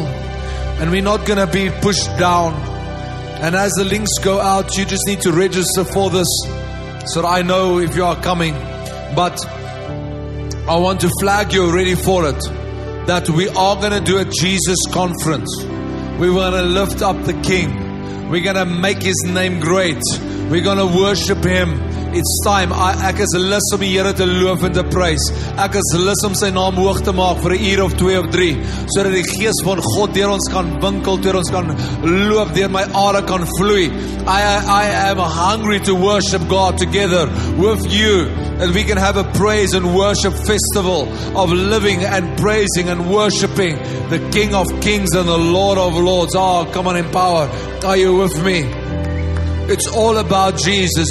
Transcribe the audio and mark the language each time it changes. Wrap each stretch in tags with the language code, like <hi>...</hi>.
<en>And we're not going to be pushed down. And as the links go out, you just need to register for this so that I know if you are coming. But I want to flag you already for it, that we are going to do a Jesus conference. We're going to lift up the King. We're going to make His name great. We're going to worship Him. It's time.</en> <af>Ek is lus om die Here te loof en te prys. Ek is lus om sy naam hoog te maak vir 'n uur of twee of drie, sodat die Gees van God deur ons kan winkel, deur ons kan loop, deur my are kan vloei.</af> <en>I am hungry to worship God together with you, and we can have a praise and worship festival of living and praising and worshiping the King of Kings and the Lord of Lords. Oh, come on, Empower. Are you with me? It's all about Jesus.</en>